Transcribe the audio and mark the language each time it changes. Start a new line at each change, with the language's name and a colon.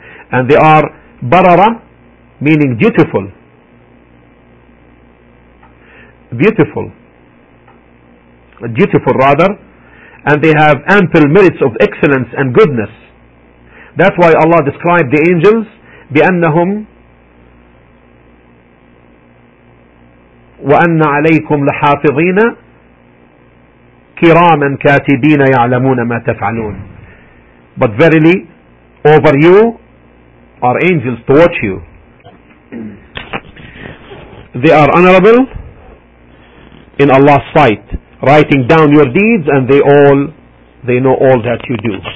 English: And they are barara, meaning dutiful. Beautiful. Dutiful rather. And they have ample merits of excellence and goodness. That's why Allah described the angels
Arabic: بأنهم وَأَنَّ عَلَيْكُمْ لَحَافِظِينَ كِرَامًا كَاتِبِينَ يَعْلَمُونَ مَا تَفْعَلُونَ.
English: But verily, over you are angels to watch you. They are honorable in Allah's sight, writing down your deeds, and they know all that you do.